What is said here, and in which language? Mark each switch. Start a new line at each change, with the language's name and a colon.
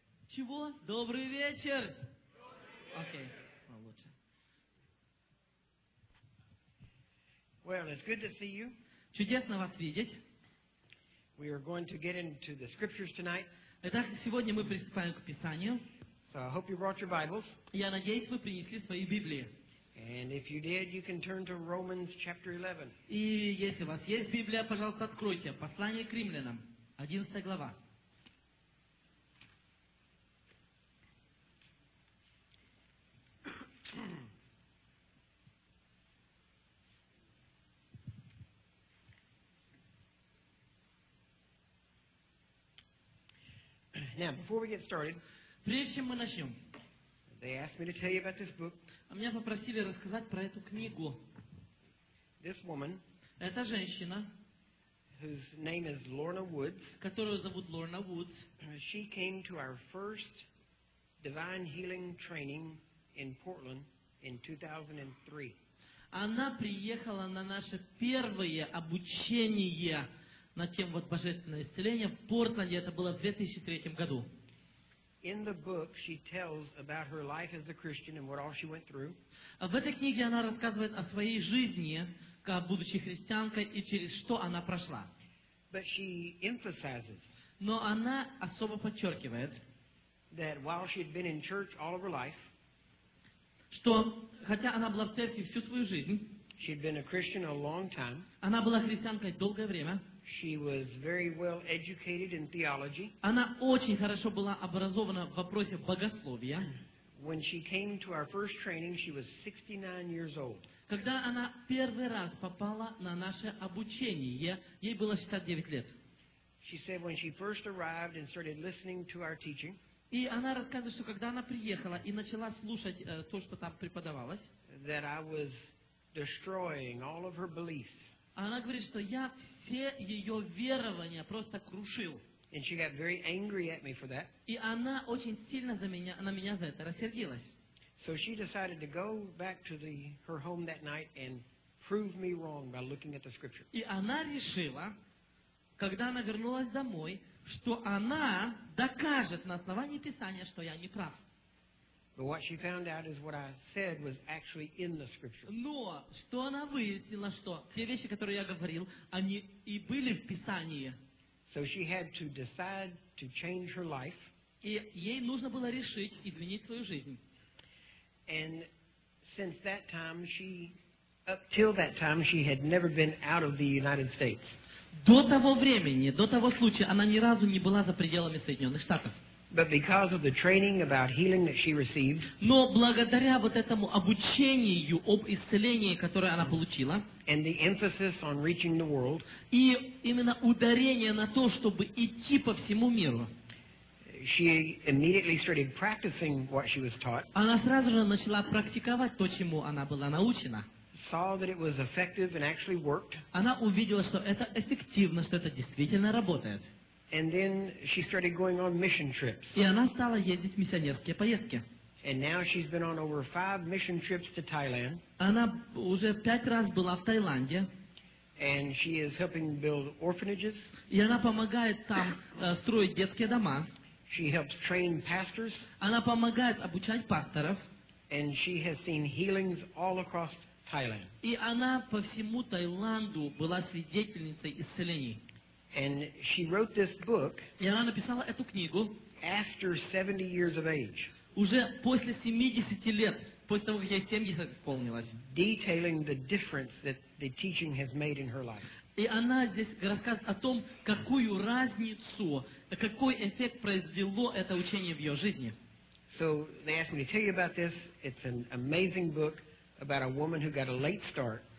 Russian: Чего? Добрый вечер.
English: Okay. Well,
Russian: лучше.
English: Well, it's good to see you.
Russian: Чудесно вас видеть.
English: We are going to get into the scriptures tonight.
Russian: Итак, сегодня мы приступаем к Писанию.
English: So I hope you brought your Bibles.
Russian: Я надеюсь, вы принесли свои Библии.
English: And if you did, you can turn to Romans chapter 11.
Russian: И если у вас есть Библия, пожалуйста, откройте послание к Римлянам, 11 глава.
English: Now, before we get started,
Russian: прежде чем мы начнем,
English: they asked me to tell you about this book.
Russian: Меня попросили рассказать про эту книгу.
English: This woman,
Russian: эта женщина,
English: whose name is Lorna Woods,
Russian: которую зовут Лорна Вудс,
English: she came to our first divine healing training in Portland in 2003.
Russian: Она приехала на наше первое обучение на тему вот божественное исцеление в Портленде. Это было в 2003 году.
English: In the book, she tells about her life as a Christian and what all she went through.
Russian: В этой книге она рассказывает о своей жизни, как будучи христианкой, и через что она прошла.
English: But she emphasizes.
Russian: Но она особо подчеркивает.
English: That while she had been in church all of her life.
Russian: Что хотя она была в церкви всю свою жизнь.
English: She had been a Christian a long time.
Russian: Она была христианкой долгое время.
English: She was very well educated in theology.
Russian: Она очень хорошо была образована в вопросе богословия.
English: When she came to our first training, she was 69 years old.
Russian: Когда она первый раз попала на наше обучение, ей было 69 лет.
English: She said when she first arrived and started listening to our teaching.
Russian: И она рассказывает, что когда она приехала и начала слушать то, что там преподавалось,
English: that I was destroying all of her beliefs.
Russian: Она говорит, что я все ее верования просто крушил.
English: And she got very angry at me for that.
Russian: И она очень сильно на меня за это рассердилась. И она решила, когда она вернулась домой, что она докажет на основании Писания, что я не прав.
English: But what she found out is what I said was actually in the scripture.
Russian: Но что она выяснила, что те вещи, которые я говорил, они и были в Писании.
English: So she had to decide to change her life.
Russian: И ей нужно было решить изменить свою жизнь.
English: And since that time, she up till that time, she had never been out of the United States.
Russian: До того времени, до того случая, она ни разу не была за пределами Соединенных Штатов.
English: But because of the training about healing that she received,
Russian: но благодаря вот этому обучению об исцелении, которое она получила,
English: and the emphasis on reaching the world,
Russian: и именно ударение на то, чтобы идти по всему миру,
English: she immediately started practicing what she was taught.
Russian: Она сразу же начала практиковать то, чему она была научена.
English: Saw that it was effective and actually worked.
Russian: Она увидела, что это эффективно, что это действительно работает.
English: And then she started going on mission trips.
Russian: И она стала ездить в миссионерские поездки.
English: And now she's been on over 5 mission trips to Thailand.
Russian: Она уже 5 раз была в Таиланде.
English: And she is helping build orphanages.
Russian: И она помогает там строить детские дома.
English: She helps train pastors.
Russian: Она помогает обучать пасторов.
English: And she has seen healings all across Thailand.
Russian: И она по всему Таиланду была свидетельницей исцелений.
English: And she wrote this book.
Russian: И она написала эту книгу.
English: After 70 years of age.
Russian: Уже после 70 лет, после того, как ей 70 исполнилось.
English: Detailing the difference that the teaching has made in her life.
Russian: И она здесь рассказывает о том, какую разницу, какой эффект произвело это учение в ее жизни.
English: So they asked me to tell you about this. It's an amazing book about a woman who got a late start.